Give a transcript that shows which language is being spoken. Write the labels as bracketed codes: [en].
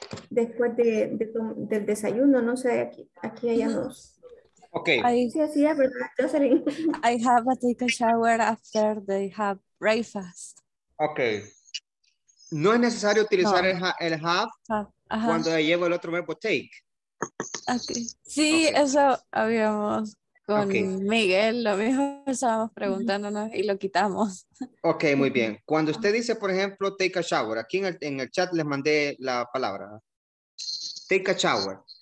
[es] Después del desayuno, no sé, aquí hay dos. [en] Okay. I have a take a shower after they have breakfast. Okay. [es] No es necesario utilizar el have cuando llevo el otro verbo take. [en] Okay. Sí, okay. [es] Eso habíamos con Miguel, lo mismo estábamos preguntándonos y lo quitamos. Okay, muy bien. Cuando usted dice, por ejemplo, [en] take a shower, [es] aquí en el chat les mandé la palabra. [en] Take a shower.